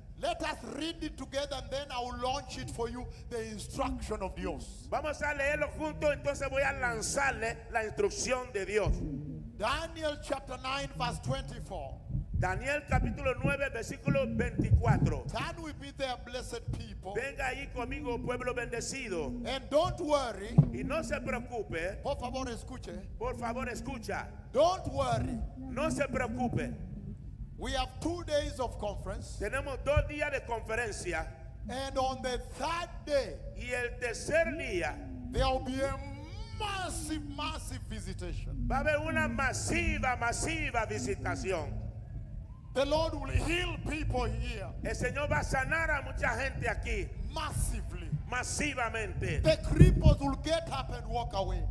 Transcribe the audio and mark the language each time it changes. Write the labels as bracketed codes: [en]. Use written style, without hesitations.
[en] Let us read it together and then I will launch it for you, the instruction of Dios. [es] Vamos a leerlo juntos, entonces voy a lanzarle la instrucción de Dios. [en] Daniel chapter 9 verse 24. [es] Daniel capítulo 9 versículo 24. [en] Turn with me there, blessed people. [es] Venga ahí conmigo, pueblo bendecido. [en] And don't worry. [es] Y no se preocupe. Por favor, escuche. Por favor, escucha. [en] Don't worry. [es] No se preocupe. [en] We have 2 days of conference. [es] Tenemos 2 días de conferencia. [en] And on the third day. [es] Y el tercer día. [en] There will be a massive visitation. [es] Va a haber una masiva visitación. [en] The Lord will heal people here. [es] El Señor va a sanar a mucha gente aquí. [en] Massively. [es] Masivamente. [en] The cripples will get up and walk away.